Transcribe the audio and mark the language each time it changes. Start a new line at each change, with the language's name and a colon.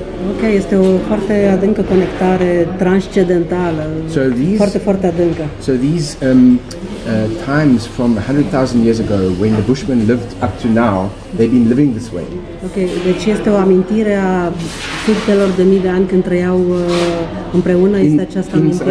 Romanian: Ok, este o foarte adâncă conectare transcendentală,
English: so
Romanian: foarte, foarte adâncă.
English: So these times from 100,000 years ago when the Bushmen lived up to now, they've been living this way.
Romanian: Ok, deci este o amintire a sutelor de mii de ani când trăiau împreună, este această amintire.